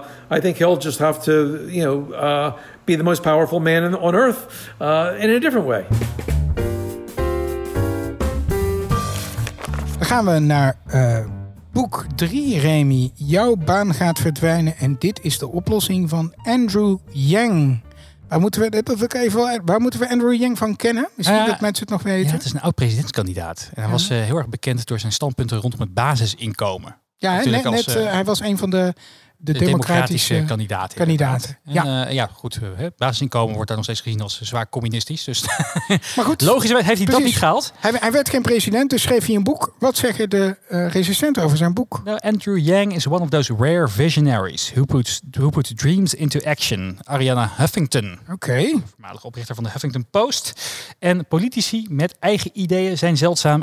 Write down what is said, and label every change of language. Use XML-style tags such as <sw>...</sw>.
<en>I think he'll just have to, you know, be the most powerful man on earth in a different way.</en> <nl>Dan gaan we naar boek 3, Remy. Jouw baan gaat verdwijnen en dit is de oplossing van Andrew Yang. Waar moeten we Andrew Yang van kennen? Misschien dat mensen het nog weten. Ja, het is een oud-presidentskandidaat. En hij was heel erg bekend door zijn standpunten rondom het basisinkomen. Ja, hij was een van de democratische kandidaten. Ja. Basisinkomen wordt daar nog steeds gezien als zwaar communistisch. Dus maar goed, logisch heeft hij precies, dat niet gehaald. Hij werd geen president, dus schreef hij een boek. Wat zeggen de recensenten over zijn boek? Nou,</nl> <en>Andrew Yang is one of those rare visionaries who put dreams into action.</en> <nl>Arianna Huffington. Okay. Voormalig oprichter van de Huffington Post. En politici met eigen ideeën zijn zeldzaam.</nl>